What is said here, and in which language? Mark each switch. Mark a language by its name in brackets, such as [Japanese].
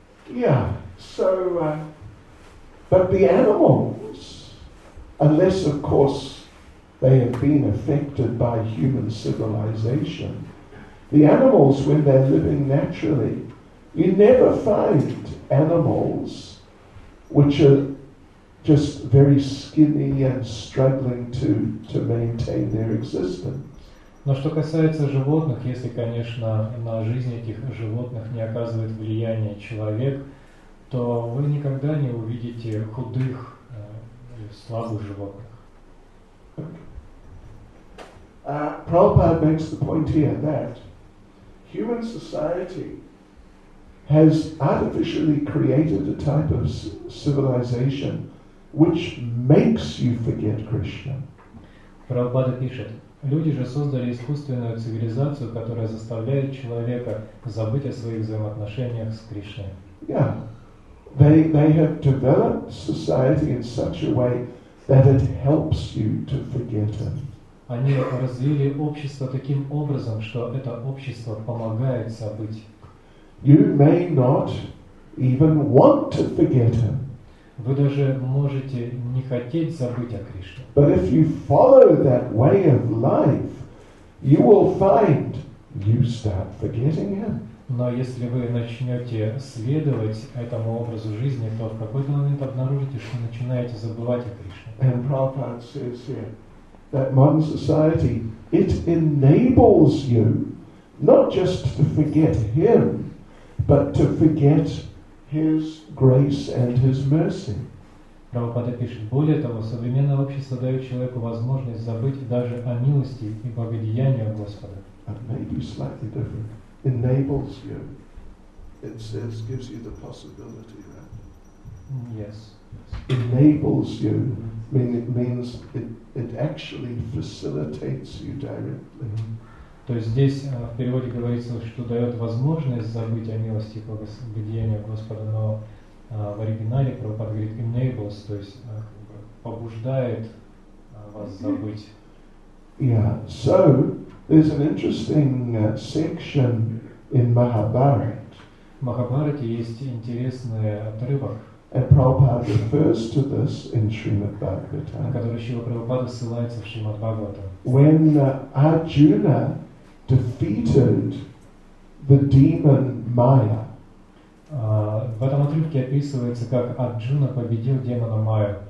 [English] Yeah, so, but the animals, unless of course they have been affected by human civilization, the animals, when they're living naturally, you never find animals which are just very skinny and struggling to maintain their existence. [Russian] Но что касается животных, если, конечно, на жизнь этих животных не оказывает влияние человек, то вы никогда не увидите худых, слабых животных. [English] Prabhupada makes the point here that human society has artificially created a type of civilization which makes you forget Krishna. [Russian] Прабхупада пишет: люди же создали искусственную цивилизацию, которая заставляет человека забыть о своих взаимоотношениях с Кришной. [English] Yeah. They have developed society in such a way that it helps you to forget him. [Russian] Они развили общество таким образом, что это общество помогает забыть. [English] You may not even want to forget him. [Russian] Вы даже можете не хотеть забыть о Кришне. [English] But if you follow that way of life, you will find you start forgetting him. [Russian] Но если вы начнете следовать этому образу жизни, то в какой-то момент обнаружите, что начинаете забывать о Кришне. [English] And Prabhupada says here that modern society, it enables you not just to forget him, but to forget His grace and His mercy. [Russian] Прабхупада пишет: более того, современное общество дает человеку возможность забыть даже о милости и благодеянии Господа. [English] And maybe slightly different. Enables you. It says, gives you the possibility, right? Yes. Enables you. Means it actually facilitates you directly. [Russian] То есть здесь в переводе говорится, что дает возможность забыть о милости и благодеянии Господа, но в оригинале Прабхупада говорит enables, то есть как бы побуждает вас забыть. [English] Yeah, so there's an interesting section in Mahabharat. [Russian] В Махабхарате есть интересный отрывок. [English] And Prabhupada refers to this in Srimad Bhagavatam. [Russian] На который Шрила Прабхупада ссылается в Шримад Бхагаватам. [English] When Arjuna defeated the demon Maya. [Russian] В этом отрывке описывается, как Арджуна победил демона Майю.